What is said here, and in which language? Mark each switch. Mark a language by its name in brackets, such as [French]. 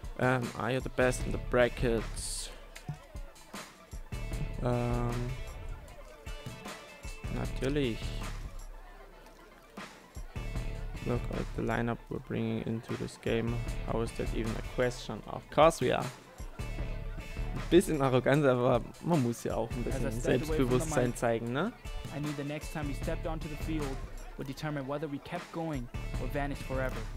[English] Are you the best in the brackets? [German] Natürlich. [English] Look at the lineup we're bringing into this game. How is that even a question? Of course we are. [German] Ein bisschen Arroganz, aber man muss ja auch ein bisschen Selbstbewusstsein zeigen, ne? [English] I knew the next time we stepped onto the field would determine whether we kept going or vanished forever.